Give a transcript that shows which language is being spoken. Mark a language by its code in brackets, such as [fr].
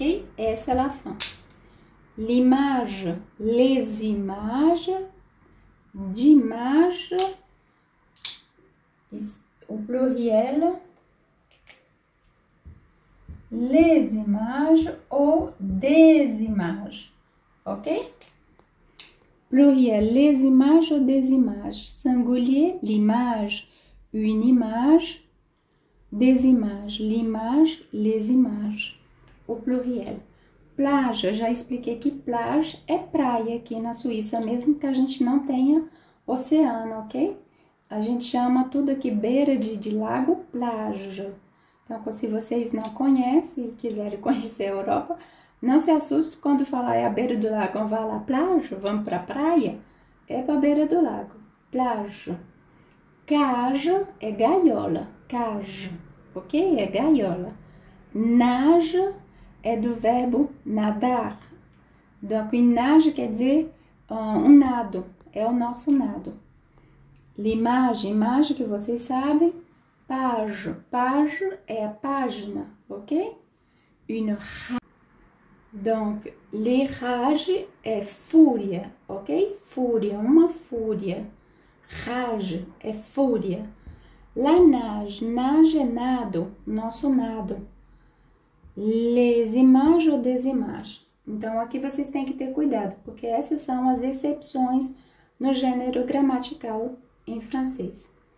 [fr] Et c'est la fin. L'image, les images, d'image, au pluriel, les images ou des images. Ok? Pluriel, les images ou des images. Singulier, l'image. Une image, des images, l'image, les images, au pluriel. [pt] Plage, já expliquei que plage é praia aqui na Suíça, mesmo que a gente não tenha oceano, ok? A gente chama tudo aqui beira de lago, plage. Então, se vocês não conhecem e quiserem conhecer a Europa, não se assuste quando falar é a beira do lago, vamos lá, plage, vamos para a praia, é para a beira do lago, plage. Cage é gaiola, cage, ok? É gaiola. Nage é do verbo nadar. Donc, nage quer dizer um nado, é o nosso nado. L'image, imagem que vocês sabem. Page, page é a página, ok? Une rage. Donc, les rages é fúria, ok? Fúria, uma fúria. Rage é fúria. La nage, nage é nado, nosso nado. [fr] Les images ou des images. [pt] Então, aqui vocês têm que ter cuidado, porque essas são as exceções no gênero gramatical em francês.